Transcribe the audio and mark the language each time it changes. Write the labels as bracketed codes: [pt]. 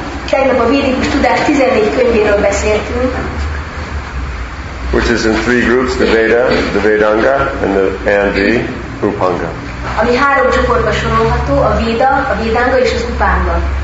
[hu] Tegnap a védikus tudás 14 könyvéről beszéltünk. [en] Which is in three groups, the Veda, the Vedanga, and the Upanga. [hu] Ami három csoportba sorolható, a Veda, a Vedanga és az Upanga.